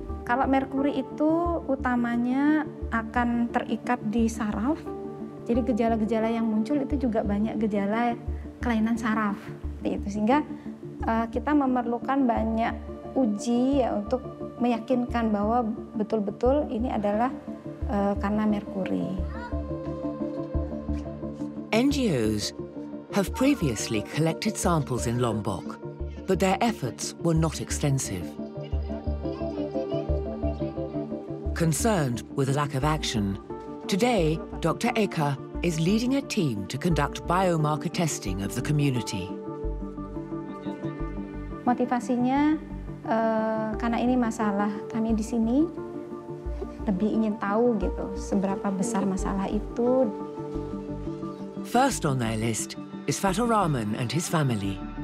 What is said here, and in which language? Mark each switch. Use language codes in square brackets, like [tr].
[id] Kalau merkuri itu utamanya akan terikat di saraf, jadi gejala-gejala yang muncul itu juga banyak gejala kelainan saraf. Itu sehingga kita memerlukan banyak uji ya untuk meyakinkan bahwa betul-betul ini adalah karena merkuri. [en] NGOs have previously collected samples in Lombok, but their efforts were not extensive. Concerned with a lack of action, today Dr. Eka is leading a team to conduct biomarker testing of the community. [id] Motivasinya karena ini masalah kami di sini, lebih ingin tahu gitu seberapa besar masalah itu. [en] First on their list is Fatoraman and his family.